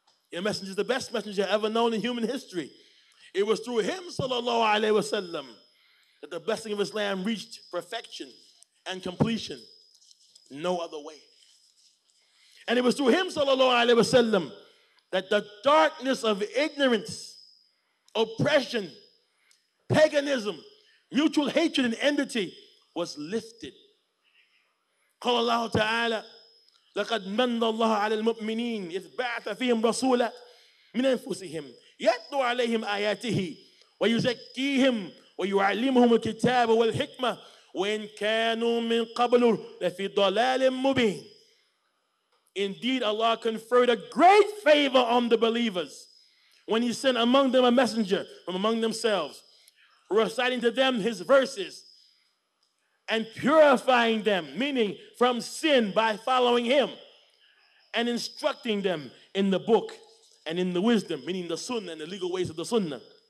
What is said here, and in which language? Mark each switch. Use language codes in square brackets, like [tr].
[en] Your messenger is the best messenger ever known in human history. It was through him, sallallahu alayhi wa sallam, that the blessing of Islam reached perfection and completion. No other way. And it was through him, sallallahu alayhi wa sallam, that the darkness of ignorance, oppression, paganism, mutual hatred and enmity was lifted. [ar] قال الله تعالى لقد من الله على المؤمنين إذ بعث فيهم رسولا من أنفسهم يتلو عليهم آياته ويزكيهم ويعلمهم الكتاب والحكمة وإن كانوا من قبل لفي ضلال مبين. [en] Indeed, Allah conferred a great favor on the believers when he sent among them a messenger from among themselves, reciting to them his verses and purifying them, meaning from sin, by following him and instructing them in the book and in the wisdom, meaning the sunnah and the legal ways of the sunnah.